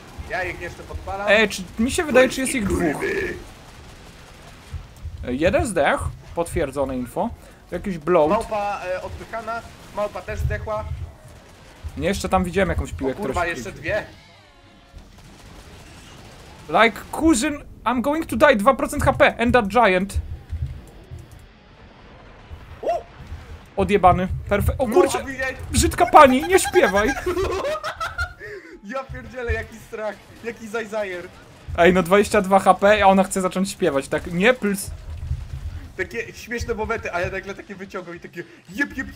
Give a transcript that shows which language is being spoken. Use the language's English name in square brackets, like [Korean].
[Polish] Ja ich jeszcze podpalam. Czy mi się wydaje, czy jest ich dwóch. Jeden zdech. Potwierdzone info. Jakiś bloat. Małpa odpychana, małpa też zdechła. Nie, jeszcze tam widziałem jakąś piłę, która kurwa, jeszcze dwie. [English] Like, cousin, I'm going to die, 2% HP, and that giant. [Polish] Odjebany, perfekt. O kurczę, brzydka pani, nie śpiewaj. Ja pierdzielę, jaki strach, jaki zajzajer. Ej, no 22 HP, a ona chce zacząć śpiewać, tak, nie pls. Takie śmieszne momenty, a ja nagle takie wyciągam i takie jeb.